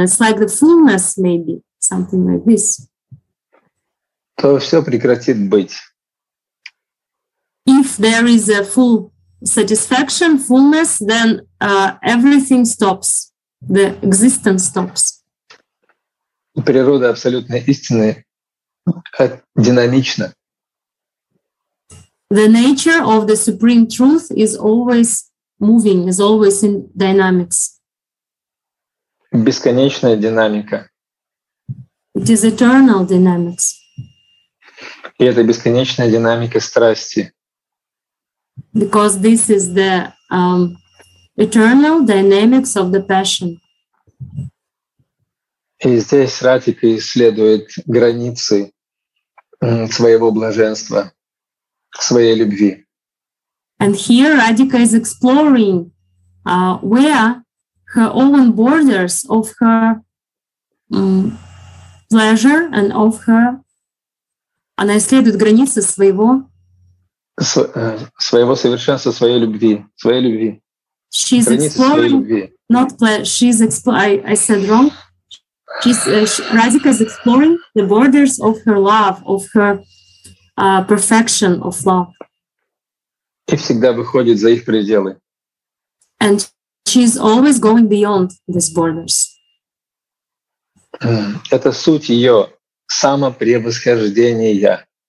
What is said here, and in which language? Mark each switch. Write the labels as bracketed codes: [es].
[en] It's like the fullness, maybe, something like this. [ru] То все прекратит быть. [en] If there is a full satisfaction, fullness, then everything stops. The existence stops. [ru] Природа абсолютной истины динамична. [en] The nature of the supreme truth is always moving, is always in dynamics. [ru] Бесконечная динамика. [en] It is eternal dynamics. [ru] И это бесконечная динамика страсти. [en] Because this is the eternal dynamics of the passion. [ru] И здесь Ратика исследует границы своего блаженства, своей любви. [en] And here Radhika is exploring where her own borders of her pleasure and of her... [ru] Она исследует границы своего... Своего совершенства, своей любви. Своей любви. [en] She's границы exploring... Любви. Not pleasure. She's exploring... I said wrong. Radhika is exploring the borders of her love, of her... perfection of love. [ru] И всегда выходит за их пределы. [en] And she's always going beyond these borders. [ru] Это суть ее самопревосхождения.